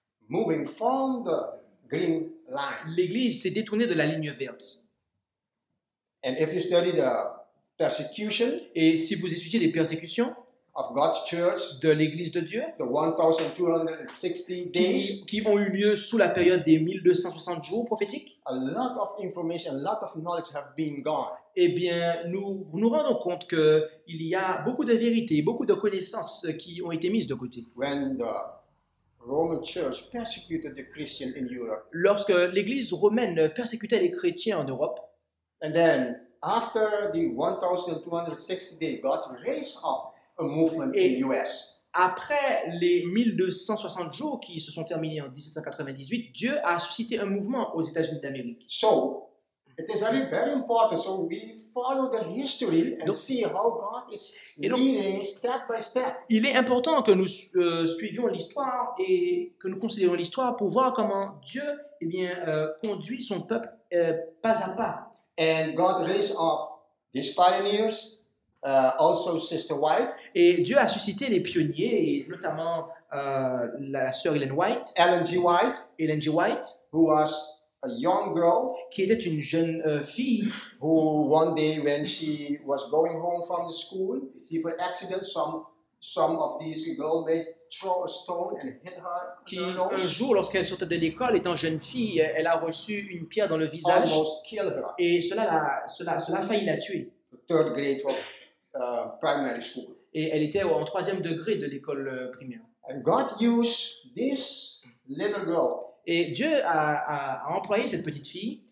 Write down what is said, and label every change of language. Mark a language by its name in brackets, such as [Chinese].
[English] moving from the green line. [French] L'église s'est détournée de la ligne verte. [English] And if you study the persecution, [French] et si vous étudiez les persécutions [English] of God's church, [French] de l'Église de Dieu, [English] the 1260 days, [French] qui ont eu lieu sous la période des 1260 jours prophétiques, [English] a lot of information, a lot of knowledge have been gone. [French] Eh bien, nous rendons compte qu'il y a beaucoup de vérités, beaucoup de connaissances qui ont été mises de côté. [English] When the Roman church persecuted the Christian in Europe. [French] Lorsque l'Église romaine persécutait les chrétiens en Europe, et puis, [English] after the 1260 days, God raised up a movement in the U.S. [French] Après les 1260 jours qui se sont terminés en 1798, Dieu a suscité un mouvement aux États-Unis d'Amérique. [English] So, it is very, very important. So we follow the history and [French] donc, [English] see how God is leading step by step. [French] Il est important que nous suivions l'histoire et que nous considérions l'histoire pour voir comment Dieu, eh bien, conduit son peuple pas à pas. [English] And God raised up these pioneers, also Sister White. [French] Et Dieu a suscité les pionniers, et notamment la sœur Ellen White. [English] Ellen G. White. [French] Ellen G. White. [English] Who was a young girl. [French] Qui était une jeune fille. [English] Who one day when she was going home from the school, she by accident some of these girlmates throw a stone and hit her. [French] Qui un jour, lorsqu'elle sortait de l'école, étant jeune fille, elle a reçu une pierre dans le visage. [English] Almost killed her. [French] Et cela a failli la tuer. [English] The third grade of primary school. [French] Et elle était en troisième degré de l'école primaire. [English] And God used this little girl. [French] Et Dieu a employé cette petite fille.